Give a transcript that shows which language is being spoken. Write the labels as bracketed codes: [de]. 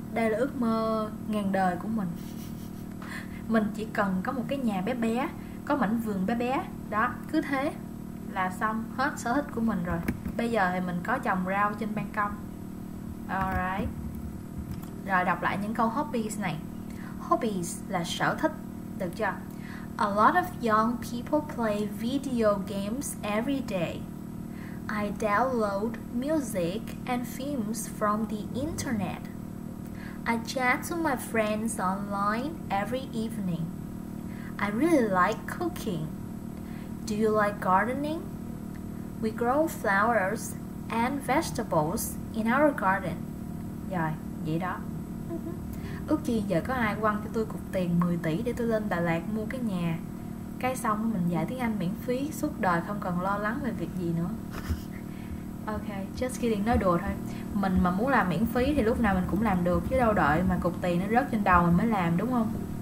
[vi] Đây là ước mơ ngàn đời của mình. Mình chỉ cần có một cái nhà bé bé, có mảnh vườn bé bé. Đó, cứ thế là xong hết sở thích của mình rồi. Bây giờ thì mình có trồng rau trên ban công. Alright. Rồi đọc lại những câu hobbies này. Hobbies là sở thích, được chưa? [en] A lot of young people play video games every day. I download music and films from the internet. I chat to my friends online every evening. I really like cooking. Do you like gardening? We grow flowers and vegetables in our garden. [vi] Rồi, vậy đó. Ước chi giờ có ai quăng cho tôi cục tiền 10 tỷ để tôi lên Đà Lạt mua cái nhà. Cái xong mình dạy tiếng Anh miễn phí, suốt đời không cần lo lắng về việc gì nữa. Ok, [en] just kidding, [vi] nói đùa thôi. Mình mà muốn làm miễn phí thì lúc nào mình cũng làm được, chứ đâu đợi mà cục tiền nó rớt trên đầu mình mới làm, đúng không?